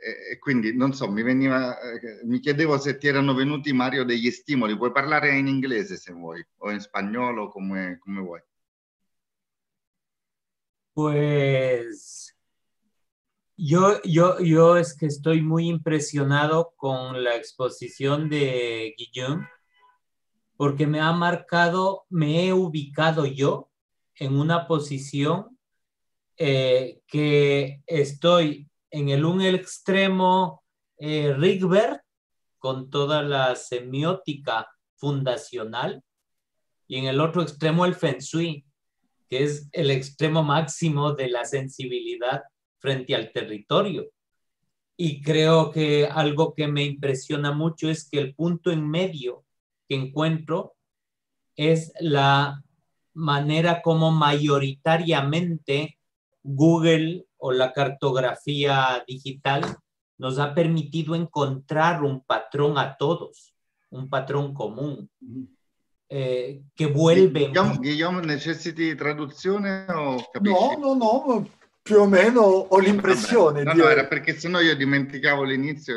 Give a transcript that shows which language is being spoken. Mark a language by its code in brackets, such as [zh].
[it] E quindi, non so, mi chiedevo se ti erano venuti, Mario, degli stimoli. Puoi parlare in inglese se vuoi, o in spagnolo, come vuoi. [es] Pues yo es que estoy muy impresionado con la exposición de Guillaume, porque me ha marcado, me he ubicado yo en una posición que estoy en el un extremo Rigbert, con toda la semiótica fundacional, y en el otro extremo el Feng Shui, que es el extremo máximo de la sensibilidad frente al territorio. Y creo que algo que me impresiona mucho es que el punto en medio que encuentro es la manera como mayoritariamente Google o la cartografía digital nos ha permitido encontrar un patrón a todos, un patrón común, que vuelve... [it] Guillaume, ¿necesiti traduzione o capisci? No, più o meno ho l'impressione. No, no, era perché sennò io dimenticavo l'inizio.